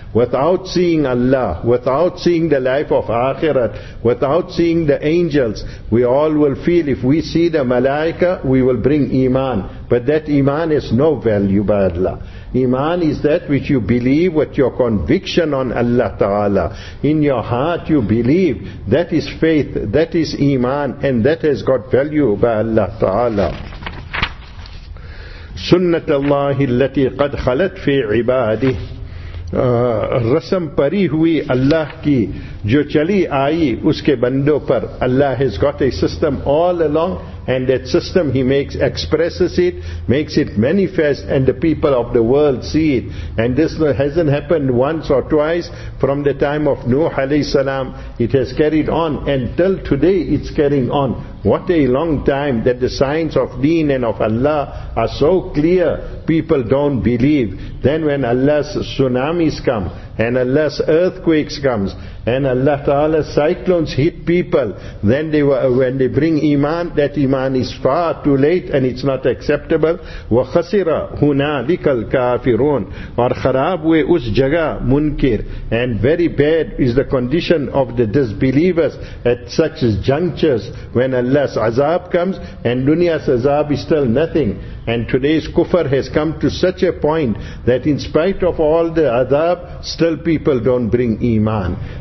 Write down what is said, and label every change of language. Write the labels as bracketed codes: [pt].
[en] Without seeing Allah, without seeing the life of Akhirat, without seeing the angels, we all will feel if we see the Malaika, we will bring Iman. But that Iman is no value by Allah. Iman is that which you believe with your conviction on Allah Ta'ala. In your heart you believe. That is faith, that is Iman, and that has got value by Allah Ta'ala. [ar] سنت اللہ التي قد خلت في عباده [ur] رسم پری ہوئی اللہ کی جو چلی آئی اس کے بندوں پر. [en] Allah has got a system all along, and that system he makes, expresses it, makes it manifest, and the people of the world see it. And this hasn't happened once or twice from the time of Nuh alayhi salam. It has carried on until today, it's carrying on. What a long time that the signs of deen and of Allah are so clear, people don't believe. Then when Allah's tsunamis come, and Allah's earthquakes comes, and Allah Ta'ala's cyclones hit people, then when they bring iman, that iman is far too late and it's not acceptable. [ar] وَخَسِرَ هُنَالِكَ الْكَافِرُونَ [ur] اور خراب ہوئے اس جگہ منکر. [en] And very bad is the condition of the disbelievers at such junctures when Allah's azab comes, and dunya's azab is still nothing. And today's kufr has come to such a point that in spite of all the azab, still people don't bring iman.